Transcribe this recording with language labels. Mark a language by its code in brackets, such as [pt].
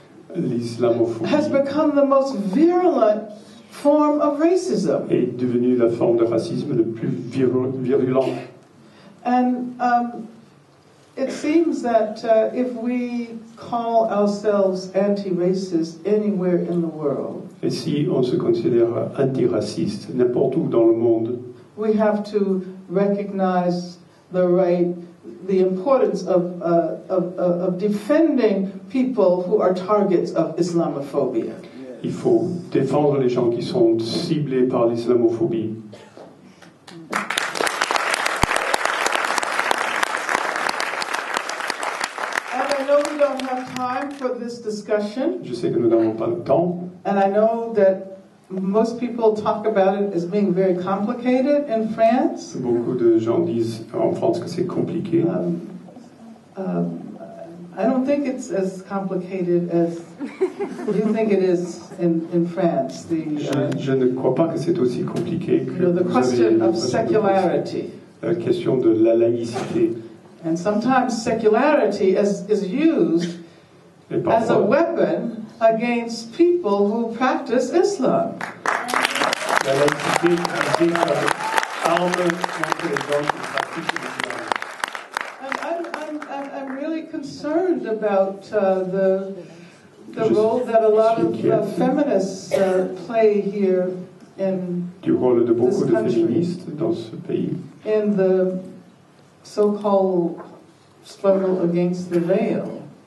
[en] Islamophobia has become the most virulent form of racism. [fr] Est devenue la forme de racisme la plus virulente. [en] And it seems that if we call ourselves anti-racist anywhere in the world, [fr] et si on se considère anti-raciste n'importe où dans le monde, [en] we have to recognize the right. The importance of defending people who are targets of Islamophobia. [fr] Il faut défendre les gens qui sont ciblés par l'islamophobie. [en] And I know we don't have time for this discussion. [fr] Je sais que nous n'avons pas le temps. [en] And I know that Most people talk about it as being very complicated in France. [fr] Beaucoup de gens disent en France que c'est compliqué. [en] I don't think it's as complicated as you think it is in France. [fr] Je ne crois pas que c'est aussi compliqué que [en] the question of secularity. [fr] La question de la laïcité. [en] And sometimes secularity is used as a weapon against people who practice Islam. [fr] La laïcité est une arme contre les gens qui pratiquent l'islam. [en] I'm really concerned about the role that a lot of feminists play here in this country. [fr] Du rôle de beaucoup de féministes dans ce pays. [en] In the so-called struggle against the veil.